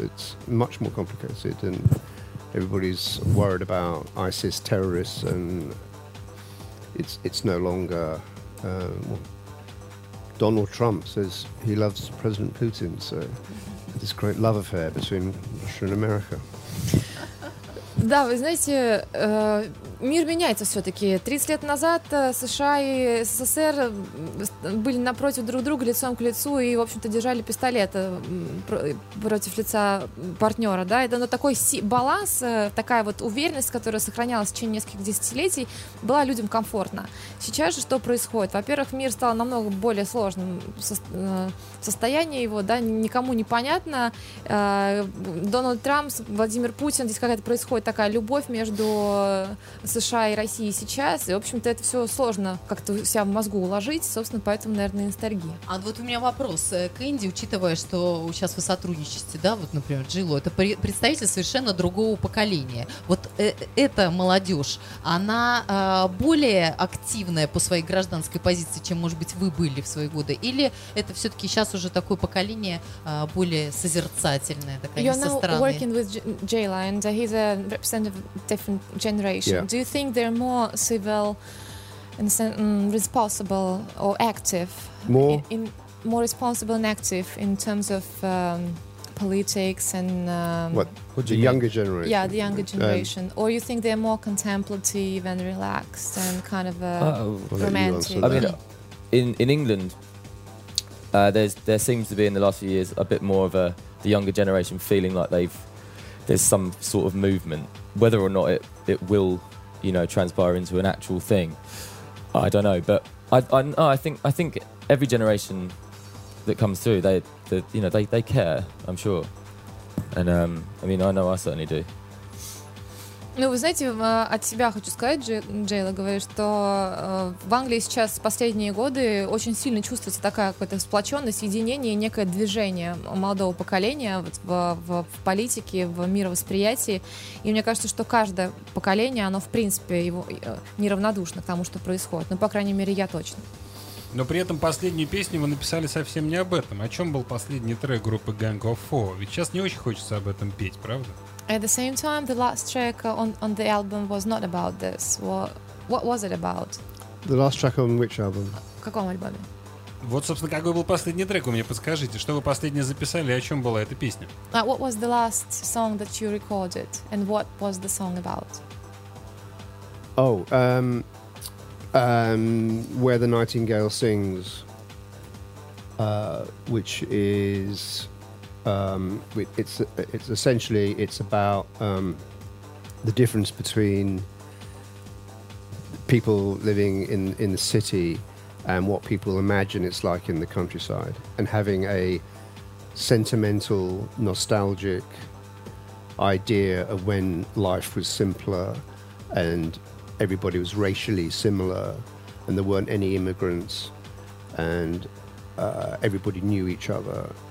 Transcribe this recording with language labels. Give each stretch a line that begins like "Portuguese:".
English: It's much more complicated, and everybody's worried about ISIS terrorists, and it's no longer... Donald Trump says he loves President Putin, so... This great love affair between Russia and America.
Russian: Да, вы знаете, мир меняется все-таки. 30 лет назад США и СССР были напротив друг друга, лицом к лицу, и, в общем-то, держали пистолет против лица партнера. Да? Это, но такой баланс, такая вот уверенность, которая сохранялась в течение нескольких десятилетий, была людям комфортна. Сейчас же что происходит? Во-первых, мир стал намного более сложным. Состояние его, да, никому не понятно. Дональд Трамп, Владимир Путин, здесь какая-то происходит такая любовь между США и Россией сейчас. И, в общем-то, это все сложно как-то себя в мозгу уложить. Собственно, поэтому, наверное, ностальгия. А вот у меня вопрос к Энди, учитывая, что сейчас вы сотрудничаете, да, вот, например, Джилу, это представитель совершенно другого поколения. Вот эта молодежь, она более активная по своей гражданской позиции, чем, может быть, вы были в свои годы? Или это все-таки сейчас уже такое поколение более созерцательное, такая не со стороны?
English: You're now working with Jayla, and he's a representative of a different generation. Yeah. Do you think they're more civil and responsible or active? More? More responsible and active in terms of politics and... What the younger generation? Yeah, the younger generation. Or you think they're more contemplative and relaxed and kind of romantic? I mean, in England, there seems to be in the last few years a bit more of the younger generation feeling like there's some sort of movement. Whether or not it will, you know, transpire into an actual thing, I don't know. But I think every generation that comes through, they care, I'm sure. And I mean, I know I certainly do.
Russian: Ну, вы знаете, от себя хочу сказать, Джейла, говорю, что в Англии сейчас последние годы очень сильно чувствуется такая какая-то сплоченность, единение, некое движение молодого поколения в политике, в мировосприятии. И мне кажется, что каждое поколение, оно, в принципе, его неравнодушно к тому, что происходит. Ну, по крайней мере, я точно. Но при этом последнюю песню вы написали совсем не об этом. О чем был последний трек группы Gang of Four? Ведь сейчас не очень хочется об этом петь, правда?
English: At the same time, the last track on the album was not about this. What was it about? The last track on which album?
Russian: Каком альбоме? Вот, собственно, какой был последний трек, у меня подскажите, что вы последнее записали, о чем была эта песня?
English: What was the last song that you recorded, and what was the song about? Oh, Where the Nightingale Sings, which is. It's essentially it's about the difference between people living in the city and what people imagine it's like in the countryside, and having a sentimental, nostalgic idea of when life was simpler and everybody was racially similar and there weren't any immigrants and everybody knew each other.